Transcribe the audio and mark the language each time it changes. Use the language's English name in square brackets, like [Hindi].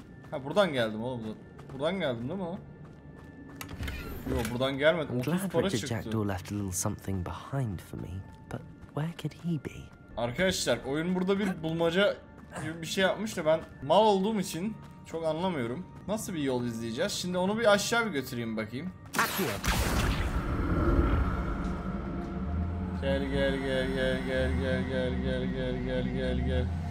[Turkish] Ha buradan geldim oğlum. Buradan geldim değil mi oğlum? Yok buradan gelmedim. [English] I'm glad Richard Jackdaw left a little something behind for me, but where could he be? [Turkish] Arkadaşlar oyun burada bir bulmaca gibi bir şey yapmış da ben mal olduğum için çok anlamıyorum. Nasıl bir yol izleyeceğiz? Şimdi onu bir aşağı bir götüreyim bakayım. Gel gel gel gel gel gel gel gel gel gel gel gel.